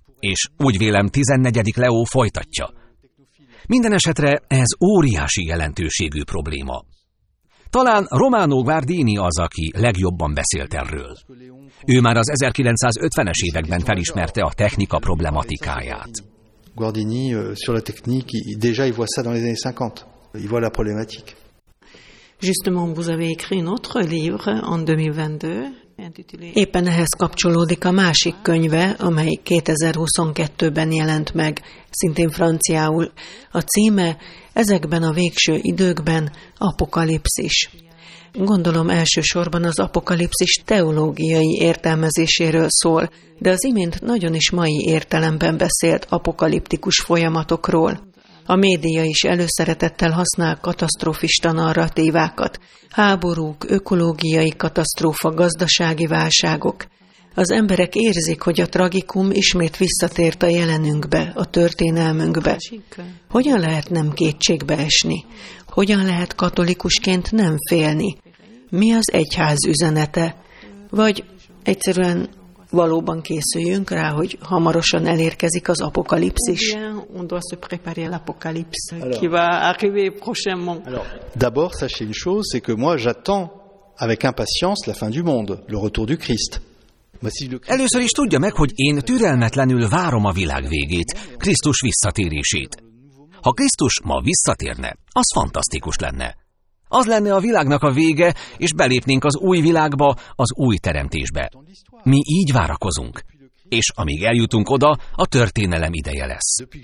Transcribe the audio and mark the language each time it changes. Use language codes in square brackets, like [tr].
[hu] És úgy vélem, 14. Leó folytatja. Minden esetre ez óriási jelentőségű probléma. Talán Romano Guardini az, aki legjobban beszélt erről. Ő már az 1950-es években felismerte a technika problematikáját. [fr] Guardini sur la technique, déjà il voit ça dans les années 50. Il voit la problématique. Justement, vous avez écrit un autre livre en 2022. [hu] Éppen ehhez kapcsolódik a másik könyve, amely 2022-ben jelent meg, szintén franciául. A címe Ezekben a végső időkben apokalipszis. Gondolom elsősorban az apokalipszis teológiai értelmezéséről szól, de az imént nagyon is mai értelemben beszélt apokaliptikus folyamatokról. A média is előszeretettel használ katasztrofista narratívákat. Háborúk, ökológiai katasztrófa, gazdasági válságok. Az emberek érzik, hogy a tragikum ismét visszatért a jelenünkbe, a történelmünkbe. Hogyan lehet nem kétségbe esni? Hogyan lehet katolikusként nem félni? Mi az egyház üzenete? Vagy egyszerűen valóban készüljünk rá, hogy hamarosan elérkezik az apokalipszis? [fr] On doit se préparer à l'apocalypse qui va arriver prochainement. Alors, d'abord, sachez une chose, c'est que moi j'attends avec impatience la fin du monde, le retour du Christ. [hu] Először is tudja meg, hogy én türelmetlenül várom a világ végét, Krisztus visszatérését. Ha Krisztus ma visszatérne, az fantasztikus lenne. Az lenne a világnak a vége, és belépnénk az új világba, az új teremtésbe. Mi így várakozunk. És amíg eljutunk oda, a történelem ideje lesz.